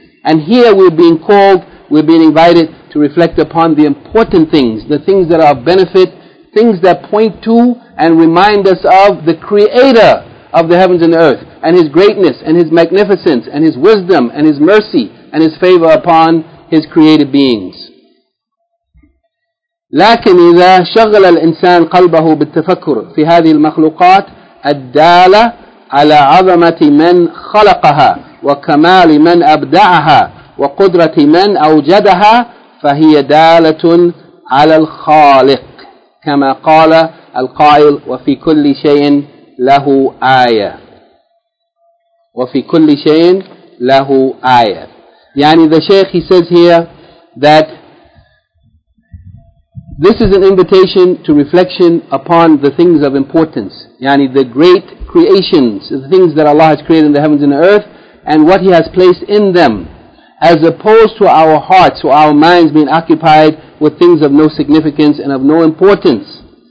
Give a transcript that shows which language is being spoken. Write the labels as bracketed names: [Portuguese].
[English] And here we're being called, we're being invited to reflect upon the important things, the things that are of benefit, things that point to and remind us of the Creator of the heavens and the earth, and His greatness, and His magnificence, and His wisdom, and His mercy, and His favor upon His created beings. [Arabic] لكن إذا شغل الإنسان قلبه بالتفكر في هذه المخلوقات الدالة على عظمة من خلقها وكمال من أبدعها وقدرة من أوجدها فهي دالة على الخالق كما قال القائل وفي كل شيء له آية وفي كل شيء له آية. [English] يعني the Shaykh, he says here that this is an invitation to reflection upon the things of importance, yani the great creations, the things that Allah has created in the heavens and the earth, and what He has placed in them, as opposed to our hearts or our minds being occupied with things of no significance and of no importance.